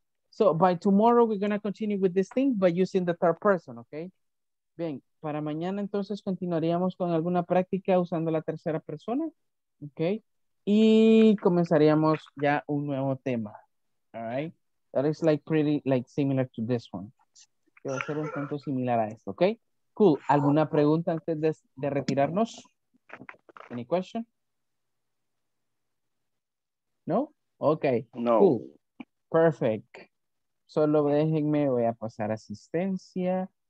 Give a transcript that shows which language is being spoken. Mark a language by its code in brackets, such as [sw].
[en] So, by tomorrow, we're going to continue with this thing by using the third person, ¿ok? [es] Bien, para mañana, entonces, continuaríamos con alguna práctica usando la tercera persona, ¿ok? Y comenzaríamos ya un nuevo tema, [en] all right? That is like pretty, like similar to this one. [es] Que va a ser un tanto similar a esto, ¿ok? Cool. ¿Alguna pregunta antes de retirarnos? [en] Any question? No? Okay. No. Cool. Perfect. [es] Solo déjenme, voy a pasar asistencia.